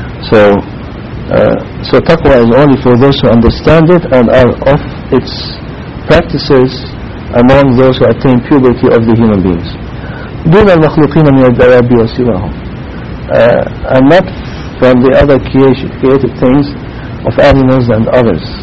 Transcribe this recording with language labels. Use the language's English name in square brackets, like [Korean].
[English] So taqwa is only for those who understand it and are of its practices among those who attain puberty of the human beings. [Arabic] دون المخلوقين من الدواب وسواهم. [English] And not from the other created things of animals and others.